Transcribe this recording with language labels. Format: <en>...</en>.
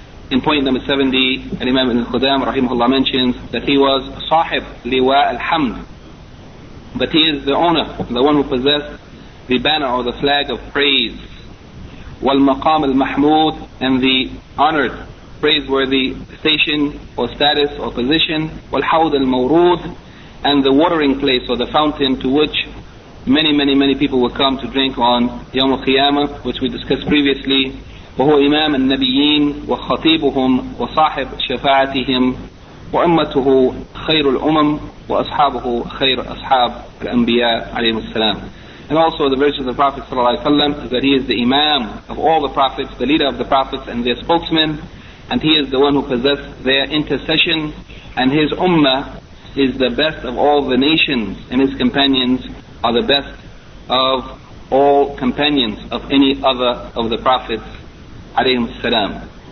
<en>In point number 70, Al-Imam Ibn Khudam rahimahullah mentions that he was</en> <ar>sahib liwa al-hamd,</ar> <en>but he is the owner, the one who possessed the banner or the flag of praise,</en> <ar>wal-maqam al-mahmud,</ar> <en>and the honored, praiseworthy station or status or position,</en> <ar>wal-hawd al-mawrud,</ar> <en>and the watering place or the fountain to which many, many, many people will come to drink on Yawm al-Qiyamah, which we discussed previously.</en> <ar>وهو إمام النبيين وخطيبهم وصاحب شفاعتهم وأمته خير الأمم وأصحابه خير أصحاب الأنبياء عليهم السلام.</ar> <en>And also the virtues of the Prophet صلى الله عليه وسلم is that he is the Imam of all the Prophets, the leader of the Prophets and their spokesmen, and he is the one who possesses their intercession, and his Ummah is the best of all the nations, and his companions are the best of all companions of any other of the Prophets alayhim salam.</en>